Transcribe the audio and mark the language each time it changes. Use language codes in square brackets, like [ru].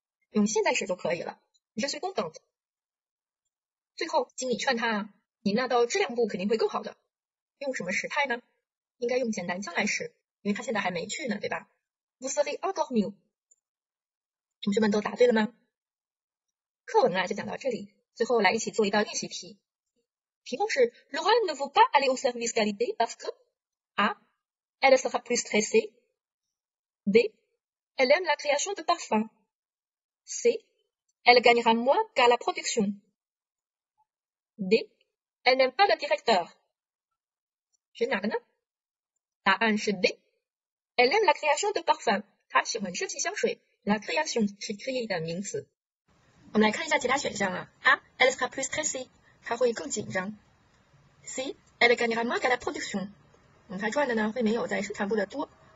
[zh] 用现在时就可以了， [fr] Je suis contente。 [zh] 最后经理劝他您那到质量部肯定会更好的，用什么时态呢？应该用简单将来时，因为他现在还没去呢，对吧？ [fr] Vous serez encore mieux。 [zh] 同学们都答对了吗？课文就讲到这里，最后来一起做一道练习题。题目是 [fr] Laurent ne veut pas aller au service qualité parce que A. Elle sera plus stressée. B. Elle aime la création de parfum. C. Elle gagnera moins qu'à la production. D. Elle n'aime pas le directeur. [zh] 选哪个呢？答案是 D. [fr] Elle aime la création de parfum. [zh] 她喜欢设计香水。 La création 是 créer 的名词。我们来看一下其他选项A. [fr] Elle sera plus stressée. [zh] 她会更紧张。 C. [fr] Elle gagnera moins qu'à la production. [zh] 她赚的呢会没有在生产部的多。